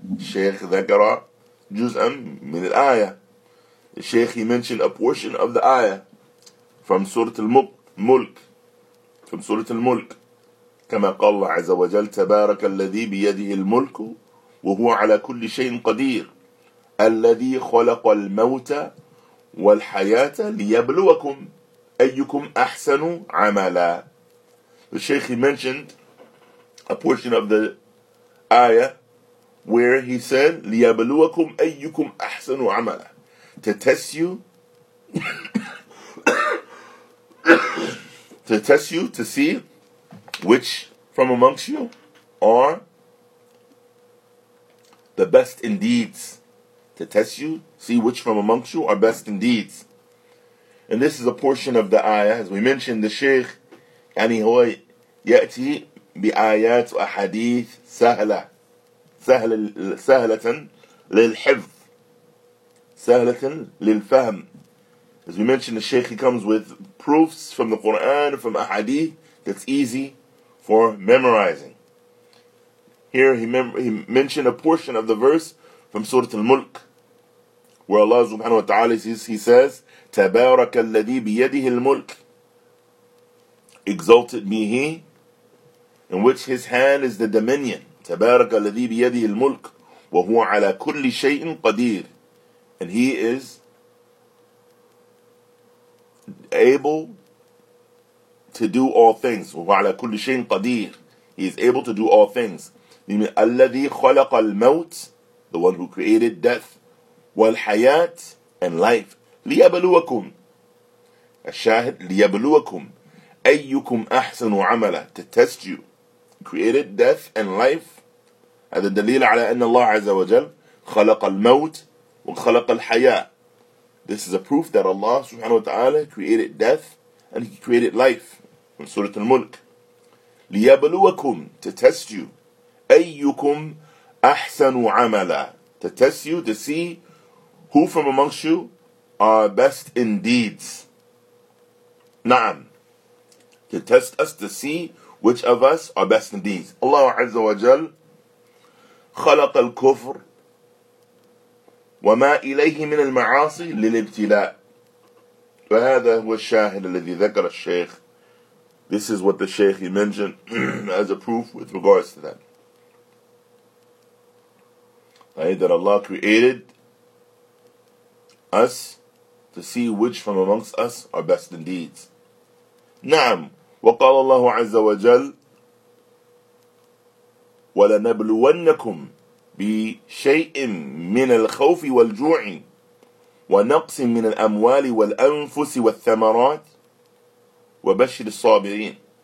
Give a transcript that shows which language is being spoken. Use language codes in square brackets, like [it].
[ar] Shaykh ذَكَرَ جُزْءًا مِنَ الْآيَةِ. [en] Shaykh, he mentioned a portion of the ayah from Surah Al-Mulk. From Surah Al-Mulk. [ar] كَمَا قَالَ اللَّهُ عَزَّ وَجَلْ تَبَارَكَ الَّذِي بِيَدِهِ الْمُلْكُ وَهُوَ عَلَى كُلِّ شَيْءٍ قَدِيرٌ الَّذِي خَلَقَ الْمَوْتَ وَالْحَيَاةَ لِيَبْلُوَكُمْ أَيُّكُمْ أَحْسَنُ عَمَلًا. [en] The Shaykh, he mentioned a portion of the ayah where he said, [ar] لِيَبْلُوَكُمْ أَيُّكُمْ أَحْسَنُ عَمَلًا. [en] To test you, to test you to see which from amongst you are the best in deeds. To test you, see which from amongst you are best in deeds. And this is a portion of the ayah. As we mentioned, the Shaykh, [ar] يعني هو يأتي بآيات وأحاديث سهلة سهل سهلة للحفظ سهلة للفهم. [en] As we mentioned, the Shaykh, he comes with proofs from the Quran, from ahadith, that's easy for memorizing. Here he mentioned a portion of the verse from Surah Al-Mulk, where Allah subhanahu wa ta'ala says, [ar] تَبَارَكَ الَّذِي بِيَدِهِ الْمُلْكِ. [en] Exalted be he in which his hand is the dominion. [ar] تبارك الذي بيده الملك وهو على كل شيء قدير. [en] And he is able to do all things. [ar] وهو على كل شيء قدير. [en] He is able to do all things. [ar] الذي خلق الموت, [en] the one who created death, [ar] والحياة [en] and life. [ar] ليبلوكم. الشاهد ليبلوكم. أيكم أحسن عملا. [en] To test you. Created death and life. [ar] هذا دليل على أن الله عز وجل خلق الموت وخلق الحياة. [en] This is a proof that Allah [ar] سبحانه وتعالى [en] created death and He created life. [ar] من سورة الملك. ليبلوكم. [en] To test you. [ar] أيكم أحسن عملا. [en] To test you, to see who from amongst you are best in deeds. [ar] نعم. [en] To test us to see which of us are best in deeds. [ar] Allah Azza wa Jal خلق الكفر وما إليه من المعاصي للابتلاء. فهذا هو الشاهد الذي ذكر الشيخ. [en] This is what the Sheikh he mentioned as a proof with regards to that. Right, that Allah created us to see which from amongst us are best in deeds. [ar] نعم. وقال الله عز وجل ولنبلونكم بشيء من الخوف والجوع ونقص من الأموال والأنفس والثمرات وبشر الصابرين.